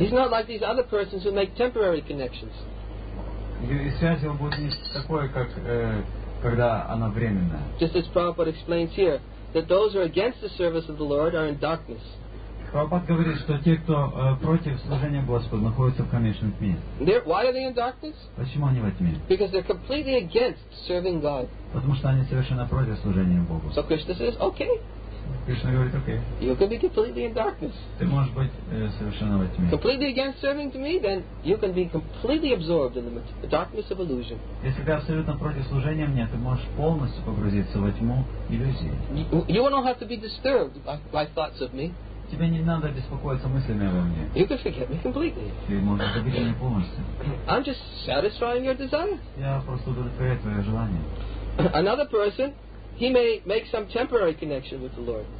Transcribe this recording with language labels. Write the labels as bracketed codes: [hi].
[en] He's not like these other persons who make temporary connections. [ru] И связь его будет не такой, как когда она временная. [en] Just as Prabhupada explains here, that those who are against the service of the Lord are in darkness. [ru] Прабхупад говорит, что те, кто против служения Господу, находятся в конечном тьме. [en] Why are they in darkness? [ru] Почему они во тьме? [en] Because they're completely against serving God. [ru] Потому что они совершенно против служения Богу. [en] So Krishna says, okay. [ru] Кришна говорит, okay. [en] You can be completely in darkness. [ru] Ты можешь быть совершенно во тьме. [en] Completely against serving to me, then you can be completely absorbed in the darkness of illusion. [ru] Если ты абсолютно против служения мне, ты можешь полностью погрузиться во тьму иллюзии. [en] You won't have to be disturbed by thoughts of me. [ru] Тебе не надо беспокоиться мыслями обо мне. [en] You can forget me completely. [ru] Ты можешь забыть меня полностью. [en] I'm just satisfying your desire. [ru] Я просто удовлетворяю твое желание. [en] Another person, he may make some temporary connection with the Lord.